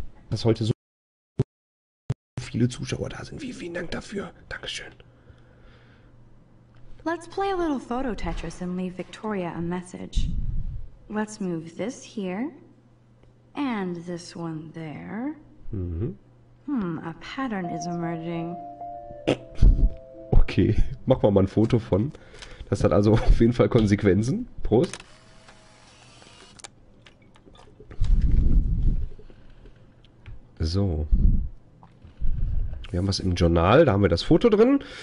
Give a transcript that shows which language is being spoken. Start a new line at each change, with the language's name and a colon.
German: Dass heute so viele Zuschauer da sind. Vielen Dank dafür. Dankeschön.
English: Let's play a little photo Tetris and leave Victoria a message. Let's move this here and this one there. Mhm. A pattern is emerging.
German: Okay, machen wir mal ein Foto von. Das hat also auf jeden Fall Konsequenzen. Prost. So. Wir haben was im Journal, da haben wir das Foto drin.